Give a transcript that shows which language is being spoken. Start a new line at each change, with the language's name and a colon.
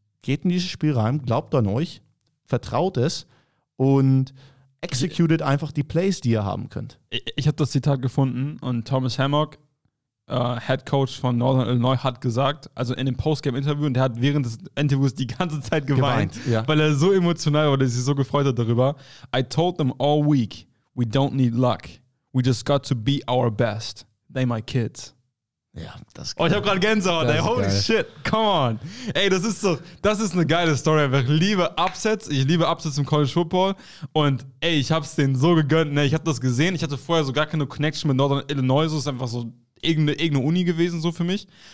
German: Geht in dieses Spiel rein, glaubt an euch, vertraut es und executet einfach die Plays, die ihr haben könnt. Ich habe das Zitat gefunden und Thomas Hammock, Head Coach von Northern Illinois, hat gesagt, also in dem Postgame-Interview, und der hat während des Interviews die ganze Zeit geweint, ja, weil er so emotional war, dass er sich so gefreut hat darüber.
English: I told them all week, we don't need luck. We just got to be our best. They my kids.
German: Ja, das ist geil. Oh, ich habe gerade Gänsehaut, ey.
English: Holy shit, come on.
German: Ey, das ist doch, das ist eine geile Story. Ich liebe Upsets im College Football. Und ey, ich habe es denen so gegönnt. Ne? Ich habe das gesehen. Ich hatte vorher so gar keine Connection mit Northern Illinois. Es ist einfach so irgendeine Uni gewesen, so für mich.